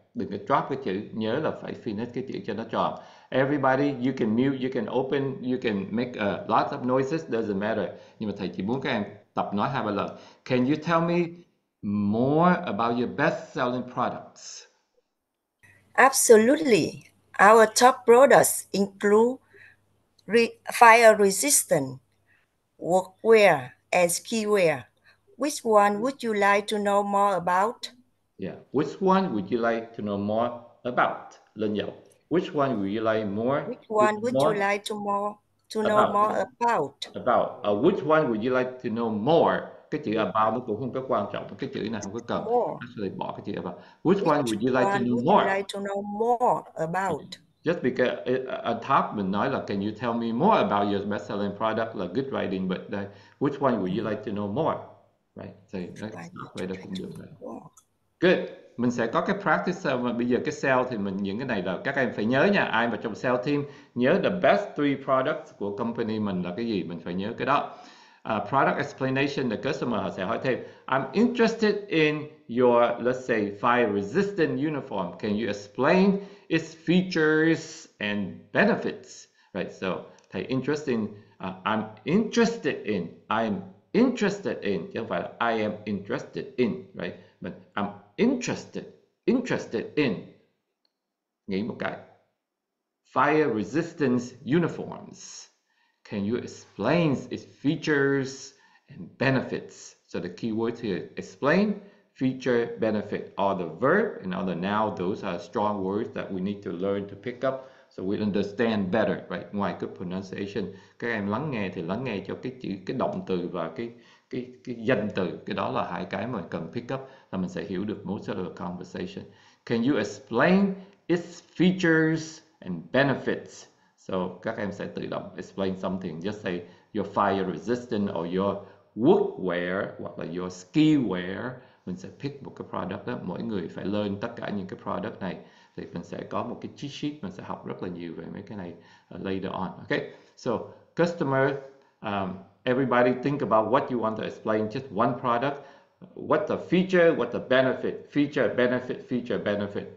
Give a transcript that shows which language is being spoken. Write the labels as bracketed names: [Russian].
[Vietnamese] Đừng có drop cái chữ, nhớ là phải finish cái chữ cho nó tròn. [English] Everybody, you can mute, you can open, you can make a lot of noises, doesn't matter. [Vietnamese] Nhưng mà thầy chỉ muốn các em tập nói hai ba lần. [English] Can you tell me more about your best-selling products? Absolutely. Our top products include fire resistant workwear and ski wear. Which one would you like to know more about? Yeah, which one would you like to know more about? Lên dọc. Which one would you like more? Which one would you like to know more about? About. Which one would you like to know more? [Vietnamese] cái chữ about nó cũng không có quan trọng, cái chữ này không có cần. [English] Actually, [Vietnamese] bỏ cái chữ about. Which [English] Which one would you like to know would more? you like to know more about? Just because a top mình nói là can you tell me more about your best-selling product là good writing, but that, which one would you like to know more? Right, so that's [Vietnamese] vậy đó cũng được. [English] Good. [Vietnamese] Mình sẽ có cái practice mà bây giờ cái sale thì mình những cái này là các em phải nhớ nha. Ai mà trong sale team nhớ [English] the best three products [Vietnamese] của company mình là cái gì, mình phải nhớ cái đó. [English] Product explanation, the customer họ sẽ hỏi thêm, I'm interested in your, let's say, fire resistant uniform. Can you explain its features and benefits? Right, so [Vietnamese] thầy [English] interesting, I'm interested in, I'm interested in, chứ không phải là I am interested in, right? But I'm interested, interested in, [Vietnamese] nghĩ một cái, [English] fire resistance uniforms. Can you explain its features and benefits? So the keyword here, explain, feature, benefit, or the verb and other noun, those are strong words that we need to learn to pick up so we understand better, right? [Vietnamese] Ngoài cái pronunciation, các em lắng nghe thì lắng nghe cho cái chữ, cái động từ và cái danh từ, cái đó là hai cái mà cần pick up là mình sẽ hiểu được [English] most of the conversation. Can you explain its features and benefits? So [Vietnamese] các em sẽ tự động [English] explain something, just say your fire resistant or your workwear [Vietnamese] hoặc là [English] your ski wear. [Vietnamese] Mình sẽ pick một cái product đó, mỗi người phải learn tất cả những cái product này. Thì mình sẽ có một cái cheat sheet, mình sẽ học rất là nhiều về mấy cái này [English] later on. Okay, so customer, everybody think about what you want to explain, just one product. What the feature, what the benefit, feature, benefit, feature, benefit.